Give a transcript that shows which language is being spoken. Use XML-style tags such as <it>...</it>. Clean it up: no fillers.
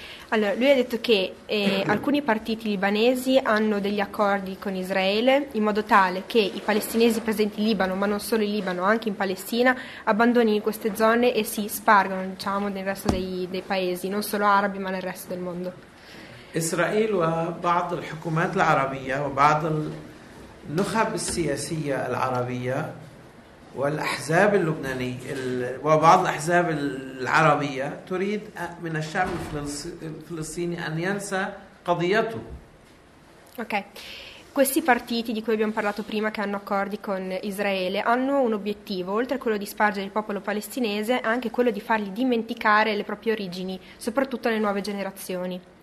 <it>Allora, lui ha detto che alcuni partiti libanesi hanno degli accordi con Israele in modo tale che i palestinesi presenti in Libano, ma non solo in Libano, anche in Palestina, abbandonino queste zone e si spargano, diciamo, nel resto dei paesi, non solo arabi, ma nel resto del mondo. Israele e</it> <ar>بعض الحكومات العربيه وبعض النخب السياسيه العربيه والأحزاب اللبنانية وبعض الأحزاب العربية تريد من الشعب الفلسطيني أن ينسى قضيته. Okay.</ar> <it>Questi partiti di cui abbiamo parlato prima che hanno accordi con Israele hanno un obiettivo, oltre a quello di spargere il popolo palestinese, anche quello di fargli dimenticare le proprie origini, soprattutto alle nuove generazioni.</it>